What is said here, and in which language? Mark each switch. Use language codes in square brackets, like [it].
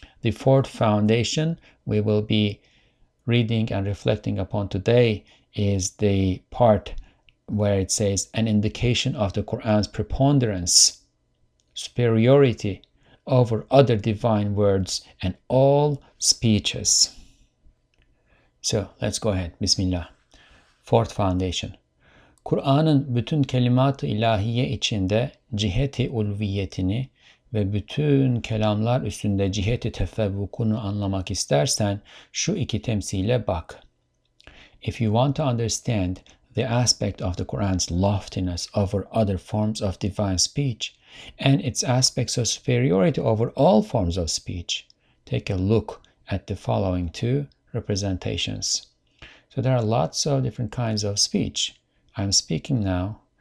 [en] The fourth foundation we will be reading and reflecting upon today is the part where it says an indication of the Quran's preponderance, superiority over other divine words and all speeches. So let's go ahead. Bismillah. Fourth foundation. [tr] Kur'an'ın bütün kelimat-ı ilahiye içinde ciheti ulviyetini ve bütün kelamlar üstünde ciheti tefevvukunu anlamak istersen şu iki temsile bak. [en] If you want to understand the aspect of the Quran's loftiness over other forms of divine speech and its aspects of superiority over all forms of speech, take a look at the following two representations. So there are lots of different kinds of speech. I'm speaking now.